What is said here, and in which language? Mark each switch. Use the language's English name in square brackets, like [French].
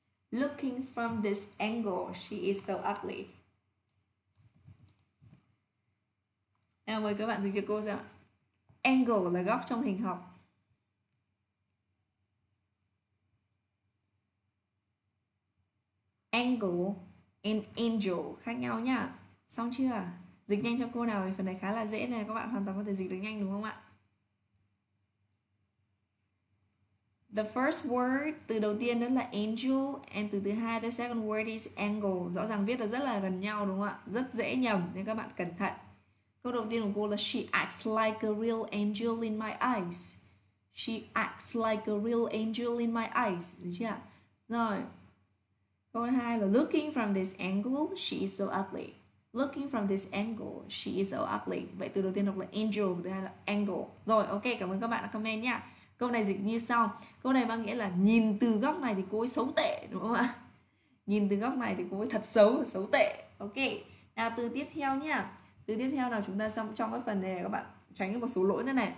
[English] Looking from this angle, she is so ugly. [Vietnamese] Nào mời các bạn dịch cho cô xem. Angle là góc trong hình học. Angle in angel khác nhau nhá. Xong chưa? Dịch nhanh cho cô nào, phần này khá là dễ này, các bạn hoàn toàn có thể dịch được nhanh đúng không ạ? [English] The first word, [Vietnamese] từ đầu tiên đó là [English] angel, and [Vietnamese] từ thứ hai [English] the second word is angle. [Vietnamese] Rõ ràng viết là rất là gần nhau đúng không ạ? Rất dễ nhầm nên các bạn cẩn thận. Câu đầu tiên của cô là [English] she acts like a real angel in my eyes. She acts like a real angel in my eyes. [Vietnamese] Được chưa? Rồi. Câu hai là [English] looking from this angle, she is so ugly. Looking from this angle, she is so ugly. [Vietnamese] Vậy từ đầu tiên đọc là angel, thứ hai là angle. Rồi, ok, cảm ơn các bạn đã comment nha. Câu này dịch như sau. Câu này mang nghĩa là nhìn từ góc này thì cô ấy xấu tệ, đúng không ạ? Nhìn từ góc này thì cô ấy thật xấu, xấu tệ. Ok, nào từ tiếp theo nha. Từ tiếp theo nào chúng ta xong trong cái phần này các bạn tránh một số lỗi nữa này.